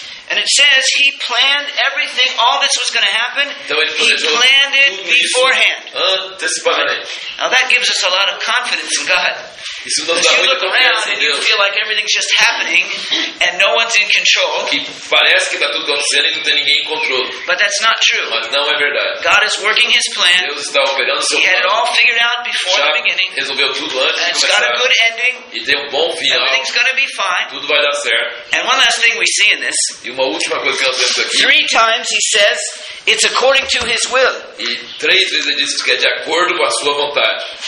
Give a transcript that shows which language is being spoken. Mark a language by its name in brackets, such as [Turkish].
[English] And it says he planned everything, all this was going to happen. [Portuguese] Então ele planejou, [English] he planned it beforehand. [Portuguese] Antecipadamente. Right. [English] Now that gives us a lot of confidence in God. [Portuguese] Isso nos dá [English] you look around and [Portuguese] Deus. [English] You feel like everything's just happening and no one's in control. [Portuguese] Que parece que está tudo acontecendo e não tem ninguém em controle. [English] But that's not true. [Portuguese] Mas não é verdade. [English] God is working his plan. [Portuguese] Deus está operando seu [English] he [Portuguese] plano. [English] Had it all figured out before [Portuguese] já [English] the beginning. [Portuguese] Resolveu tudo antes [English] and it's [Portuguese] de começar. [English] Got a good ending. [Portuguese] E tem bom final. [English] Everything's going to be fine. [Portuguese] Tudo vai dar certo. [English] And one last thing we see in this. [Portuguese] E uma última coisa que nós vemos aqui. [English] Three times he says it's according to his will. [Portuguese] E três vezes ele diz que é de acordo com a sua vontade.